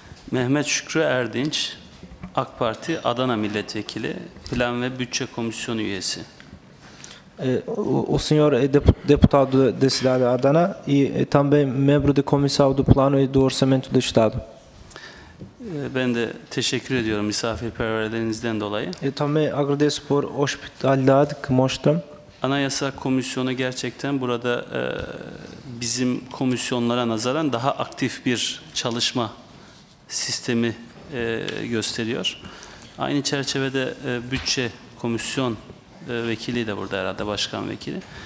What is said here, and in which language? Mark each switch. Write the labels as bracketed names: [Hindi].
[Turkish] Mehmet Şükrü Erdinç, AK Parti Adana Milletvekili, Plan ve Bütçe Komisyonu üyesi. [Portuguese] O senhor é deputado da cidade de Adana e também membro de comissão do Plano e do Orçamento do Estado. [Turkish] Ben de teşekkür ediyorum misafirperverliğinizden dolayı. [Portuguese] Também agradeço por hospitalidade que mostram. [Turkish] Anayasa Komisyonu gerçekten burada bizim komisyonlara nazaran daha aktif bir çalışma sistemi gösteriyor. Aynı çerçevede bütçe komisyon vekili de burada herhalde, başkan vekili.